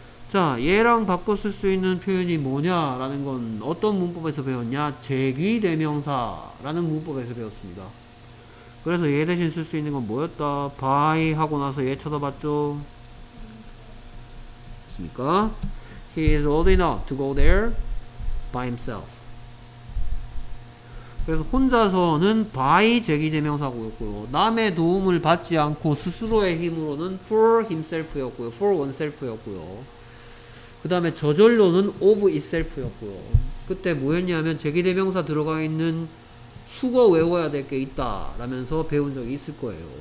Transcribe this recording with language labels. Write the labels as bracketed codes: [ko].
[ko] 자, 얘랑 바꿔 쓸 수 있는 표현이 뭐냐라는 건 어떤 문법에서 배웠냐? 제기대명사라는 문법에서 배웠습니다. 그래서 얘 대신 쓸 수 있는 건 뭐였다? by 하고 나서 얘 쳐다봤죠? 됐습니까? [en] He is old enough to go there by himself. [ko] 그래서 혼자서는 by 제기대명사였고요. 남의 도움을 받지 않고 스스로의 힘으로는 for himself였고요. for oneself였고요. 그 다음에 저절로는 of itself였고요. 그때 뭐였냐면 제기대명사 들어가 있는 수거 외워야 될 게 있다 라면서 배운 적이 있을 거예요.